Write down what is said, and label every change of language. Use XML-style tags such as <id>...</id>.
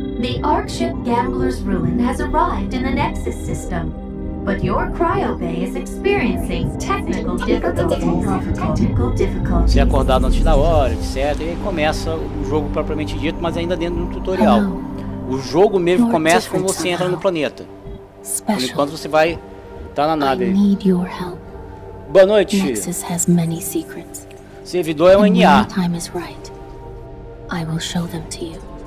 <en>The Arkship Gambler's Ruin has arrived in the Nexus system, but your cryo bay is experiencing technical difficulties.</en> <pt>Se acordado antes da hora, etc. E aí começa o jogo propriamente dito, mas ainda dentro do tutorial.</pt> <en>Hello.</en> <pt>O jogo mesmo começa quando você entra no planeta. Por enquanto você vai estar na nave.</pt> <en>I need your help.</en> <pt>Boa noite.</pt> <en>Nexus has many secrets.</en> <pt>Servidor é um NA.</pt> <en>When the time is right, I will show them to you.</en>